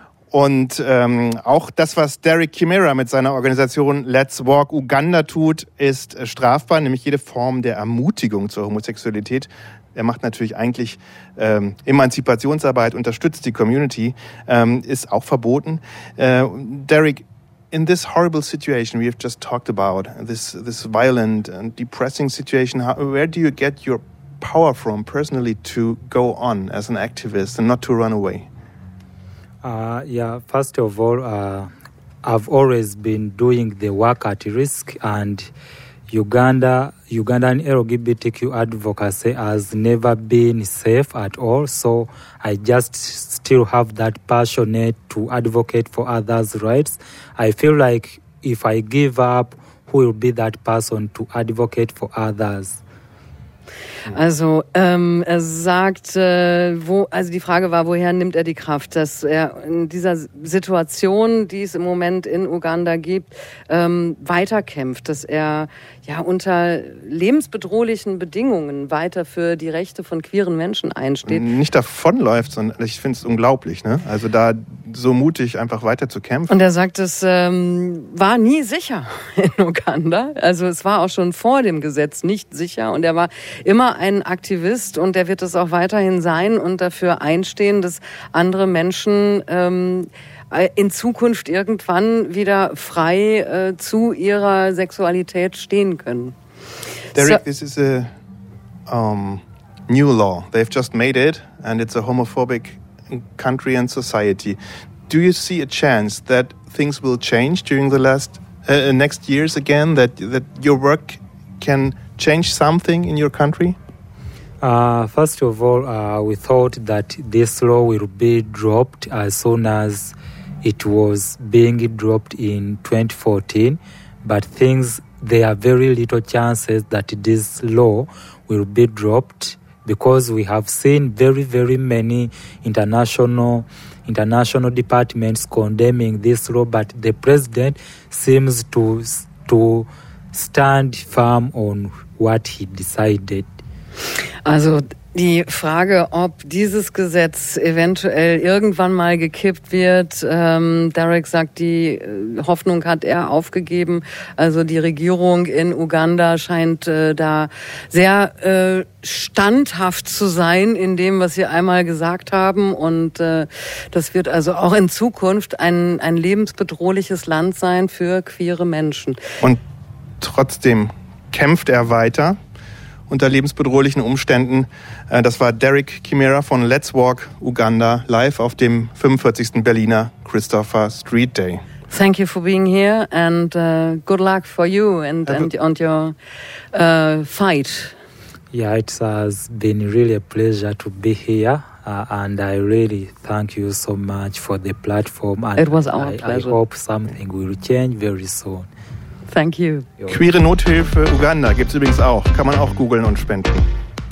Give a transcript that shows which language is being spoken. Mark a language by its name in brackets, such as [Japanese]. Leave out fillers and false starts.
[German] Und auch das, was Derek Chimera mit seiner Organisation Let's Walk Uganda tut, ist strafbar, nämlich jede Form der Ermutigung zur Homosexualität. Er macht natürlich eigentlich Emanzipationsarbeit, unterstützt die Community, ist auch verboten. Derek, [English] In this horrible situation we have just talked about, this violent and depressing situation, where do you get your power from personally to go on as an activist and not to run away? First of all, I've always been doing the work at risk, and Ugandan LGBTQ advocacy has never been safe at all. So I just still have that passionate to advocate for others' rights. I feel like if I give up, who will be that person to advocate for others? [German] Also, er sagt, die Frage war, woher nimmt er die Kraft, dass er in dieser Situation, die es im Moment in Uganda gibt, weiterkämpft, dass er ja unter lebensbedrohlichen Bedingungen weiter für die Rechte von queeren Menschen einsteht. Nicht davonläuft, sondern ich finde es unglaublich, ne? Also da so mutig einfach weiter zu kämpfen. Und er sagt, es war nie sicher in Uganda. Also es war auch schon vor dem Gesetz nicht sicher, und er war immer ein Aktivist, und der wird es auch weiterhin sein und dafür einstehen, dass andere Menschen in Zukunft irgendwann wieder frei zu ihrer Sexualität stehen können. [English] Derek, so, this is a new law. They've just made it, and it's a homophobic country and society. Do you see a chance that things will change during the next years again, that your work can change something in your country? First of all, we thought that this law will be dropped as soon as it was being dropped in 2014. But there are very little chances that this law will be dropped, because we have seen very, very many international departments condemning this law, but the president seems to stand firm on what he decided. [German] Also die Frage, ob dieses Gesetz eventuell irgendwann mal gekippt wird, Derek sagt, die Hoffnung hat er aufgegeben. Also die Regierung in Uganda scheint da sehr standhaft zu sein in dem, was sie einmal gesagt haben. Und das wird also auch in Zukunft ein lebensbedrohliches Land sein für queere Menschen. Und trotzdem kämpft er weiter unter lebensbedrohlichen Umständen. Das war Derek Chimera von Let's Walk Uganda, live auf dem 45. Berliner Christopher Street Day. [English] Thank you for being here, and good luck for you and your fight. Yeah, it has been really a pleasure to be here, and I really thank you so much for the platform. And it was our pleasure. I hope something will change very soon. Thank you. [German] Queere Nothilfe Uganda gibt's übrigens auch. Kann man auch googeln und spenden.